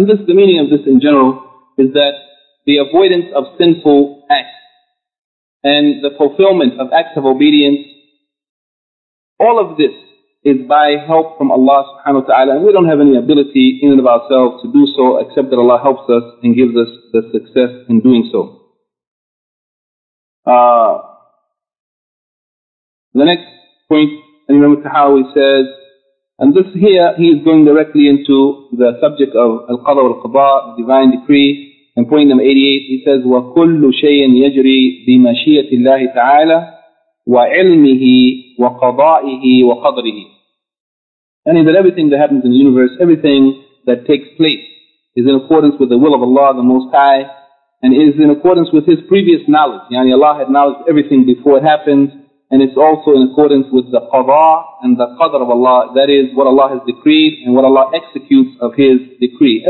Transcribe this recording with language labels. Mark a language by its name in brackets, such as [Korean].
[English] And this, the meaning of this in general is that the avoidance of sinful acts and the fulfillment of acts of obedience, all of this is by help from Allah subhanahu wa ta'ala. And we don't have any ability in and of ourselves to do so except that Allah helps us and gives us the success in doing so. The next point, and Imam Tahawi says, and this here, he is going directly into the subject of al-qada wa al-qada, the divine decree. And point number 88, he says, [Arabic] وَكُلُّ شَيْءٍ يَجْرِي بِمَشِيَّةِ اللَّهِ تَعَالَى وَعِلْمِهِ وَقَضَائِهِ وَقَدْرِهِ. [English] And that everything that happens in the universe, everything that takes place, is in accordance with the will of Allah, the Most High, and is in accordance with His previous knowledge. Yani Allah had knowledge of everything before it happened, and it's also in accordance with the qada and the qadr of Allah, that is, what Allah has decreed and what Allah executes of His decree.